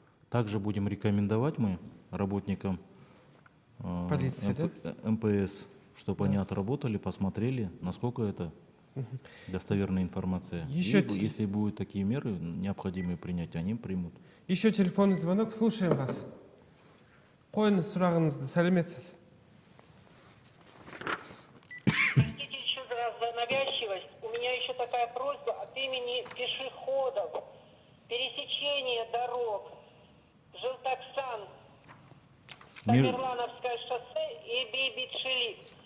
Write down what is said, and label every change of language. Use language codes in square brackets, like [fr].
[ru] Также будем рекомендовать мы работникам полиции, МПС, чтобы они отработали, посмотрели, насколько это достоверная информация. Еще если будут такие меры, необходимые принять, они примут. Еще телефонный звонок, слушаем вас. [kk] Қойыңыз сұрағыңызды, сәлеметсіз. [ru] Простите еще за навязчивость. У меня еще такая просьба от имени пешеходов, пересечения дорог, Желтоксан, Тамерлановское шоссе и Бибичелик.